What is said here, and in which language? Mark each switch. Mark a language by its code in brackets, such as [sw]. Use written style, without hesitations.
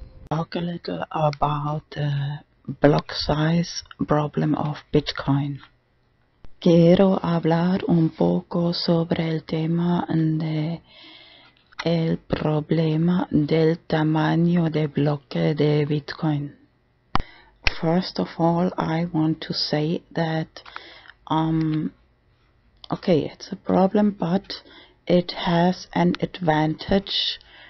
[en] Talk a little about the block size problem of Bitcoin. [es] Quiero hablar un poco sobre el tema de el problema del tamaño de bloque de Bitcoin. [en] First of all, I want to say that, okay, it's a problem, but it has an advantage.